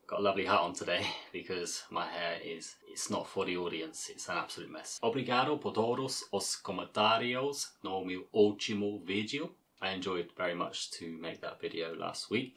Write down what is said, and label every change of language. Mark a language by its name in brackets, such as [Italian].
[English] Got a lovely hat on today because my hair is, it's not for the audience, it's an absolute mess. [Portuguese] Obrigado por todos os comentarios no meu último vídeo. [English] I enjoyed very much to make that video last week.